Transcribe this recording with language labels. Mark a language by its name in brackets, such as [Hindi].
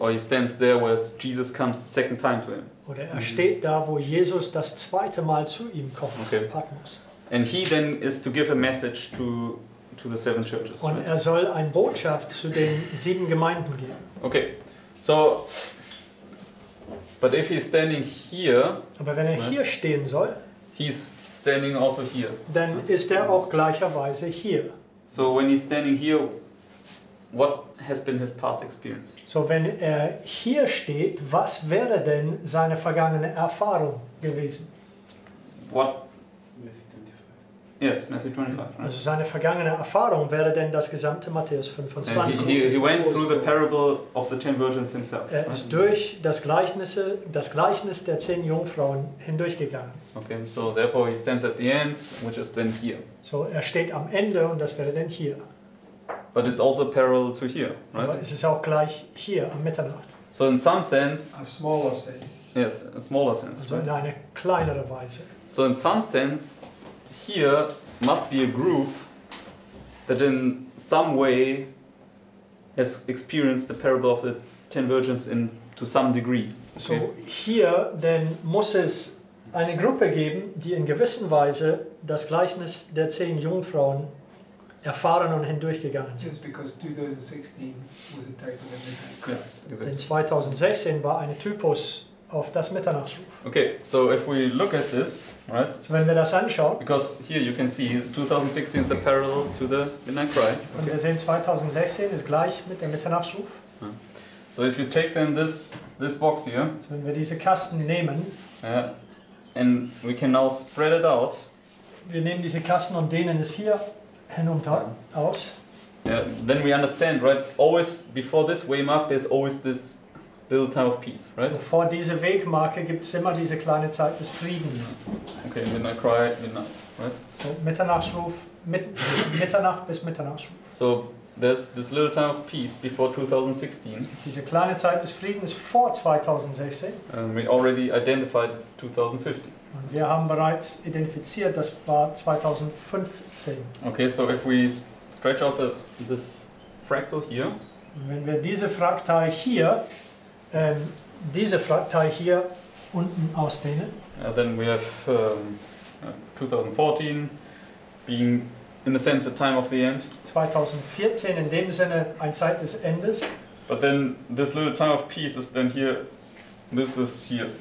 [English] Or he stands there where Jesus comes the second time to him. [German] Oder er steht da, wo Jesus das zweite Mal zu ihm kommt. [English] Okay. Patmos. And he then is to give a message to the seven churches. [German] Und [English] right? [German] Er soll eine Botschaft zu den sieben Gemeinden geben. [English] Okay. So but if he's standing here, [German] aber wenn er [English] right? [German] Hier stehen soll, [English] he's standing also here. [German] Dann right? Ist er auch gleicherweise hier. [English] So when he's standing here, what has been his past experience? [German] So wenn er hier steht, was wäre denn seine vergangene Erfahrung gewesen? [English] What yes, Matthew 25. Right? [German] Also seine vergangene Erfahrung wäre denn das gesamte Matthäus 25. [English] He went through the parable of the ten virgins himself. [German] Er ist durch das Gleichnis der zehn Jungfrauen hindurchgegangen. [English] Okay, so therefore he stands at the end, which is then here. [German] So er steht am Ende und das wäre dann hier. [English] But it's also parallel to here, right? [German] Aber es ist auch gleich hier am Mitternacht. [English] So in some sense. A smaller sense. Yes, a smaller sense. [German] Also [English] right? [German] In eine kleinere Weise. [English] So in some sense. Here must be a group that in some way has experienced the parable of the ten virgins in to some degree. Okay. So here then [German] muss es eine Gruppe geben, die in gewissen Weise das Gleichnis der zehn Jungfrauen erfahren und hindurchgegangen sind. [English] Yes, because 2016 was a type of yes, exactly. [German] In 2016 war eine Typus auf das Mitternachtsruf. [English] Okay, so if we look at this, right? [German] So wenn wir das anschauen, [English] because here you can see 2016 is a parallel to the midnight cry. Okay. [German] Und wir sehen 2016 ist gleich mit dem Mitternachtsruf. [English] So if you take then this box here. [German] So wenn wir diese Kasten nehmen. [English] And we can now spread it out. [German] Wir nehmen diese Kasten und dehnen es hier hinunter aus. [English] Yeah, then we understand, right? Always before this waymark, there's always this little time of peace, right? [German] So vor dieser Wegmarke gibt es immer diese kleine Zeit des Friedens. [English] Okay, midnight cry, midnight, right? [German] So Mitternachtsruf, Mitternacht bis Mitternachtsruf. [English] So there's this little time of peace before 2016. [German] Es gibt diese kleine Zeit des Friedens vor 2016. [English] And we already identified it's 2015. [German] Und wir haben bereits identifiziert, das war 2015. [English] Okay, so if we stretch out this fractal here. [German] Wenn wir diese Fraktal hier, diese Fraktal hier unten ausdehnen. [English] Yeah, then we have 2014 being in a sense a time of the end. [German] 2014 in dem Sinne ein Zeit des Endes. [English] But then this little time of peace is then here, this is here.